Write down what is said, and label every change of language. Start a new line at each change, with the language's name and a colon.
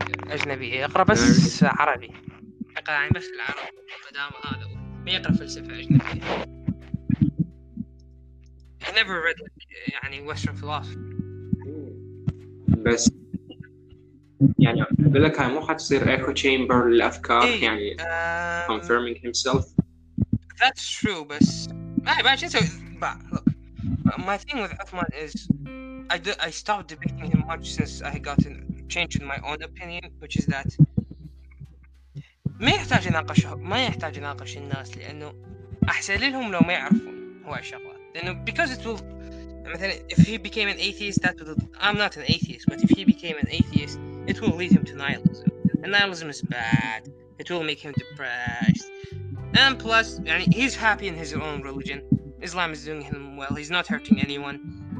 Arabic: اجنبي يقرا بس عربي يقرا يعني بس العربي قدام هذا ما يقرا فلسفه اجنبيه
English: I never read
Arabic: يعني
English: western philosophy
Arabic: بس يعني بقول لك هاي مو حتصير
English: echo chamber
Arabic: للافكار إيه.
English: يعني confirming himself that's true
Arabic: بس ما ايش نسوي
English: look my thing with Uthman is I stopped debating him much since I got changed in my own opinion, which is that
Arabic: ما يحتاج يناقش، ما يحتاج يناقش الناس، لأنه أحسن لهم لو ما يعرفون هو الشغلات. لأنه
English: because it will
Arabic: مثلا
English: if he became an atheist that would, I'm not an atheist but if he became an atheist it will lead him to nihilism and nihilism is bad, it will make him depressed and plus
Arabic: يعني
English: he's happy in his own religion, Islam is doing him well, he's not hurting anyone.